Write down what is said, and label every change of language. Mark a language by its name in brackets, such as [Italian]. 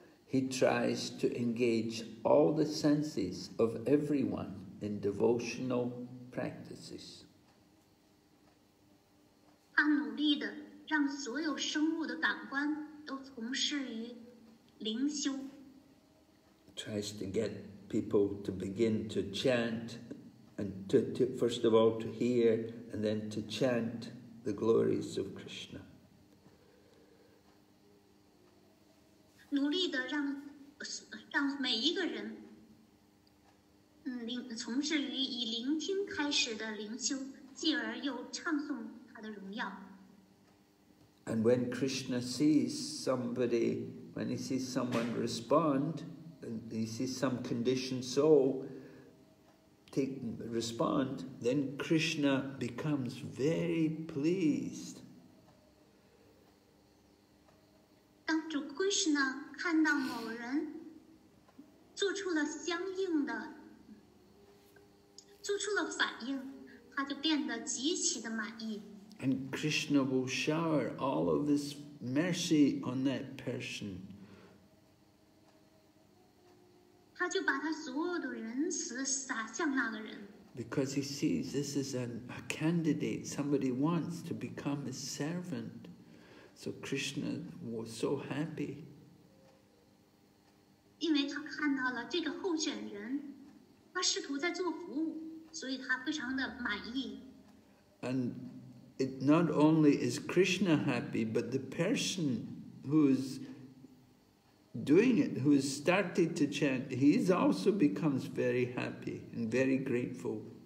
[English] He tries to engage all the senses of everyone in devotional practices. [Chinese] 他努力地让所有生物的感官都从事于灵修。 [English] Tries to get people to begin to chant, and to first of all to hear, and then to chant the glories of Krishna. [Chinese] 努力地 让每一个人从事于以聆听开始的灵修，继而又唱诵他的荣耀。 [English] And when Krishna sees somebody, when he sees someone respond, and he sees some conditioned soul respond, then Krishna becomes very pleased. [Chinese] 当主 Krishna看到某人做出了反应，他就变得极其的满意。 [English] And Krishna will shower all of his mercy on that person. [Chinese] 他就把他所有的仁慈洒向那个人。 [English] Because he sees this is a candidate, somebody wants to become his servant. So Krishna was so happy. [Chinese] 因为他看到了这个候选人，他试图在做服务，所以他非常的满意。 [English] And it not only is Krishna happy, but the person who is doing it, who has started to chant, he also becomes very happy and very grateful.